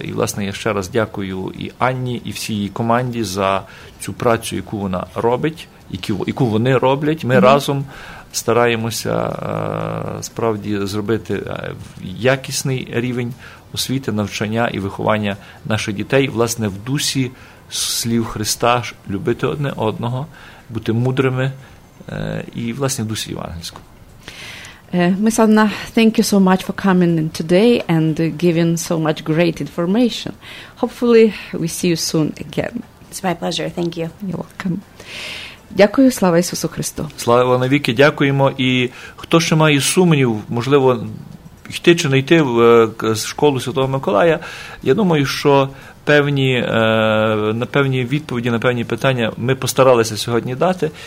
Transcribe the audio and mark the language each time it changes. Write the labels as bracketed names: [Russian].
[Ukrainian] І, власне, я ще раз дякую і Анні, і всій її команді за цю працю, яку вона робить, яку вони роблять. Ми разом стараємося, справді, зробити якісний рівень освіти, навчання і виховання наших дітей, власне, в дусі слів Христа, любити одне одного, бути мудрими і, власне, в дусі євангельському. [English] Miss Anna, thank you so much for coming in today and giving so much great information. Hopefully, we see you soon again. It's my pleasure. Thank you. You're welcome. [Ukrainian] Дякую, слава Ісусу Христу. Слава навіки, дякуємо. І хто ще має сумнів, можливо, йти чи не йти в школу Святого Миколая, я думаю, що на певні відповіді, на певні питання ми постаралися сьогодні дати.